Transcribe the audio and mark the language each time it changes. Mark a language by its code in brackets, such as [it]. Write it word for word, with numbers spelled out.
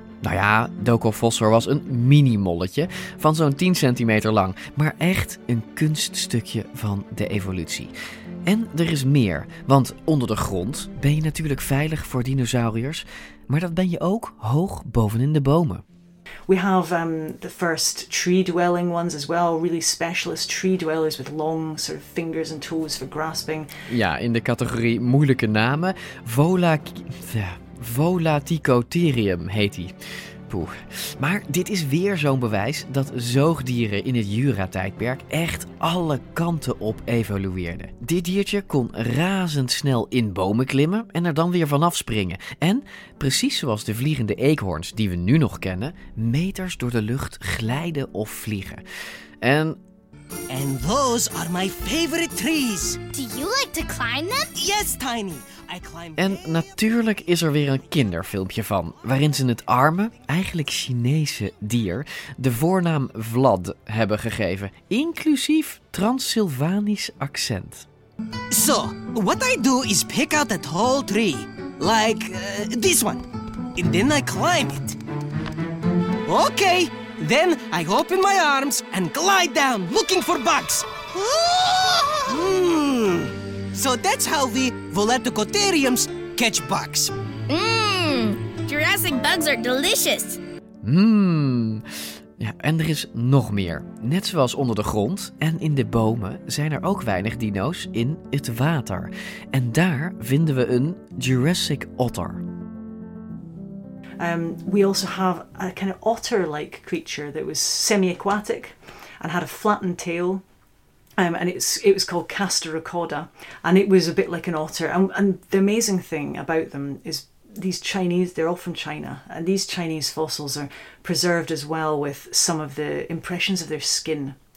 [nl] Nou ja, Docofosser was een mini-molletje van zo'n tien centimeter lang. Maar echt een kunststukje van de evolutie. En er is meer, want onder de grond ben je natuurlijk veilig voor dinosauriërs. Maar dat ben je ook hoog bovenin de bomen. [en] We have um, the first tree-dwelling ones as well, really specialist tree-dwellers with long sort of fingers and toes for grasping. [nl] Ja, in de categorie moeilijke namen, Vola... Volaticotherium heet hij. Poeh. Maar dit is weer zo'n bewijs dat zoogdieren in het Jura-tijdperk echt alle kanten op evolueerden. Dit diertje kon razendsnel in bomen klimmen en er dan weer vanaf springen. En, precies zoals de vliegende eekhoorns die we nu nog kennen, meters door de lucht glijden of vliegen. En... [en] And those are my favorite trees. Do you like to climb them? Yes, Tiny. I climb... [nl] En natuurlijk is er weer een kinderfilmpje van, waarin ze het arme, eigenlijk Chinese dier, de voornaam Vlad hebben gegeven, inclusief Transylvanisch accent. [en] So, what I do is pick out a tall tree, like uh, this one, and then I climb it. Okay. Then I open my arms and glide down, looking for bugs. Mm. So that's how the Volaticotheriums catch bugs. Mmm, Jurassic bugs are delicious. [nl] Mmm. Ja, en er is nog meer. Net zoals onder de grond en in de bomen zijn er ook weinig dino's in het water. En daar vinden we een Jurassic otter. [en] Um, we also have a kind of otter-like creature that was semi-aquatic and had a flattened tail Um, and it's it was called Castor Rocoda, and it was a bit like an otter. And, and the amazing thing about them is these Chinese, they're all from China, and these Chinese fossils are preserved as well with some of the impressions of their skin.